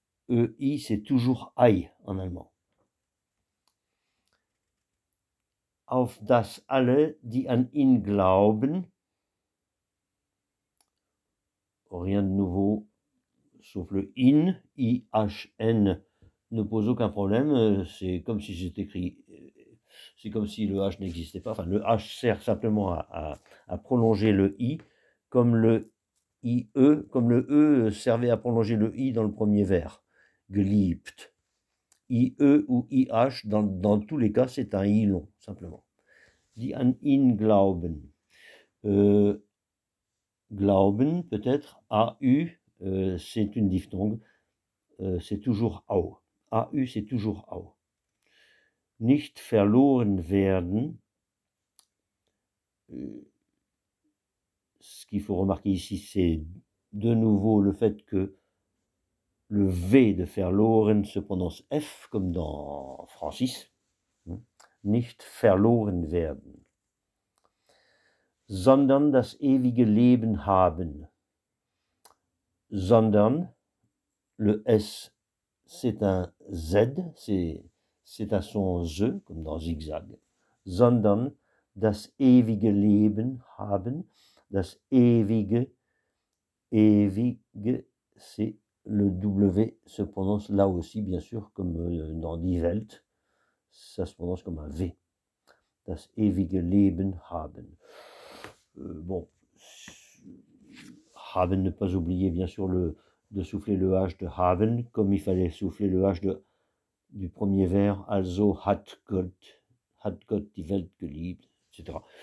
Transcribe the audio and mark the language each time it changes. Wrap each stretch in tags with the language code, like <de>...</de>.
<fr>EI, c'est toujours I en allemand.</fr> <de>Auf das alle, die an ihn glauben.</de> <fr>Rien de nouveau, sauf le in, I-H-N, ne pose aucun problème, c'est comme si c'était écrit, c'est comme si le H n'existait pas, enfin le H sert simplement à prolonger le I, comme le I-E, comme le E servait à prolonger le I dans le premier vers, geliebt. I-E ou I-H, dans tous les cas, c'est un I long, simplement.</fr> <de>Die an ihn glauben.</de> <fr>Glauben, peut-être, A-U, c'est une diphtongue, c'est toujours AU. A-U, c'est toujours AU.</fr> <de>Nicht verloren werden,</de> <fr>ce qu'il faut remarquer ici, c'est de nouveau le fait que le V de verloren se prononce F, comme dans Francis.</fr> <de>Nicht verloren werden. Sondern das ewige Leben haben.</de> <fr>Sondern, le S, c'est un Z, c'est un son Z, comme dans zigzag.</fr> <de>Sondern das ewige Leben haben.</de> <fr>Das ewige, ewige, c'est le W, se prononce là aussi, bien sûr, comme dans Die Welt, ça se prononce comme un V.</fr> <de>Das ewige Leben haben.</de> <fr>Bon, haben, ne pas oublier bien sûr de souffler le H de haben, comme il fallait souffler le H du premier vers,</fr> <de>also hat Gott die Welt geliebt,</de> <fr>etc.</fr>